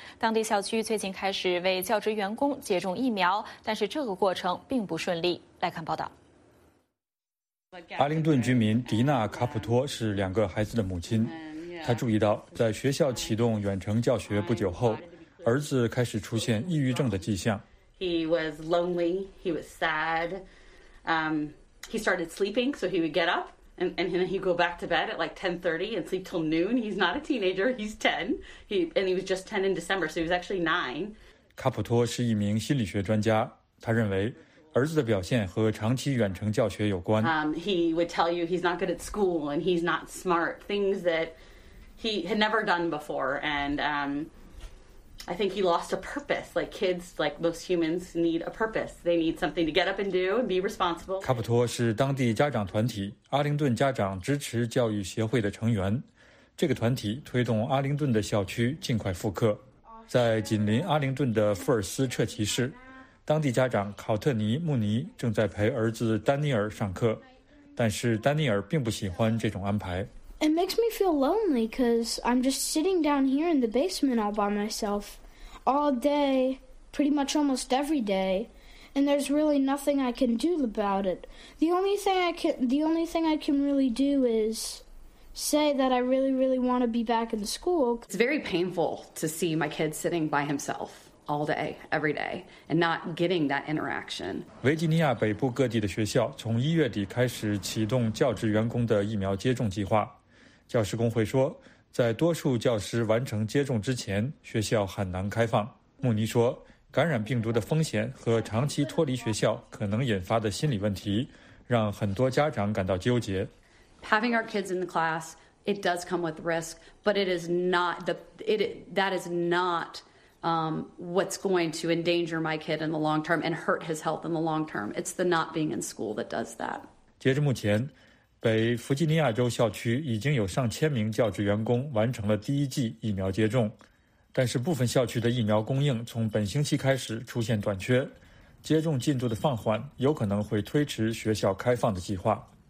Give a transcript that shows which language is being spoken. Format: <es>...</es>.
<zh>当地校区最近开始为教职员工接种疫苗，但是这个过程并不顺利。来看报道。阿灵顿居民迪娜·卡普托是两个孩子的母亲，她注意到在学校启动远程教学不久后，儿子开始出现抑郁症的迹象。</zh> <en>He was lonely. He was sad. He started sleeping, so he would get up and then he'd go back to bed at like 10:30 and sleep till noon. He's not a teenager. He's 10. He was just 10 in December, so he was actually 9.</en> <zh>卡普托是一名心理学专家，他认为儿子的表现和长期远程教学有关。</zh> <en>He would tell you he's not good at school and he's not smart. Things that he had never done before and. I think he lost a purpose. Like kids, like most humans, need a purpose. They need something to get up and do and be responsible.</en> <zh>卡普托是当地家长团体阿灵顿家长支持教育协会的成员。这个团体推动阿灵顿的校区尽快复课。在紧邻阿灵顿的富尔斯彻奇市，当地家长考特尼·穆尼正在陪儿子丹尼尔上课，但是丹尼尔并不喜欢这种安排。</zh> <en>It makes me feel lonely because I'm just sitting down here in the basement all by myself all day, pretty much almost every day, and there's really nothing I can do about it. The only thing I can really do is say that I really, really want to be back in school. It's very painful to see my kid sitting by himself all day, every day, and not getting that interaction.</en> <zh>维吉尼亚北部各地的学校从一月底开始启动教职员工的疫苗接种计划。教师工会说，在多数教师完成接种之前，学校很难开放。穆尼说，感染病毒的风险和长期脱离学校可能引发的心理问题，让很多家长感到纠结。</zh> <en>Having our kids in the class, it does come with risk, but it is not the it that is not what's going to endanger my kid in the long term and hurt his health in the long term. It's the not being in school that does that.</en> <zh>截至目前。北弗吉尼亚州校区已经有上千名教职员工完成了第一剂疫苗接种，但是部分校区的疫苗供应从本星期开始出现短缺，接种进度的放缓有可能会推迟学校开放的计划。</zh>